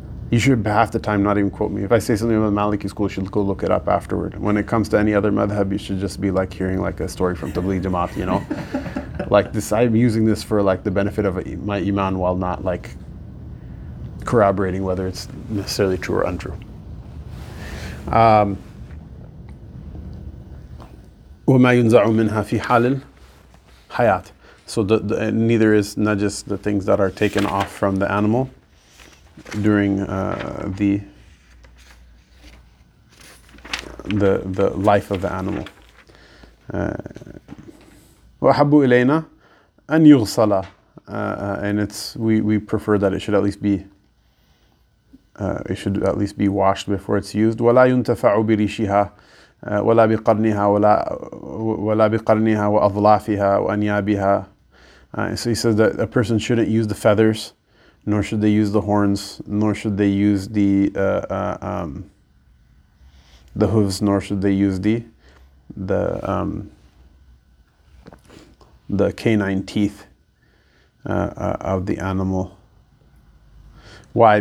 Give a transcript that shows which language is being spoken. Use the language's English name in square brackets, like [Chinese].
[English] You should half the time not even quote me. If I say something about Maliki school, you should go look it up afterward. When it comes to any other madhab, you should just be like hearing like a story from Tabligh Jamaat, you know? Like this, I'm using this for like the benefit of my iman while not like corroborating whether it's necessarily true or untrue. [Arabic] وما ينزع منها في حال الحياة. [English] So the neither is najis the things that are taken off from the animal during the life of the animal. [Arabic] وأحب إلينا أن يغسل. [English] And it's we prefer that it should at least be washed before it's used. [Arabic] وَلَا يُنْتَفَعُ بِرِيشِهَا. ولا بقرنها ولا ولا بقرنها وأظلافها وأنيابها. [English] So he says that a person shouldn't use the feathers, nor should they use the horns, nor should they use the hooves, nor should they use the canine teeth of the animal. Why?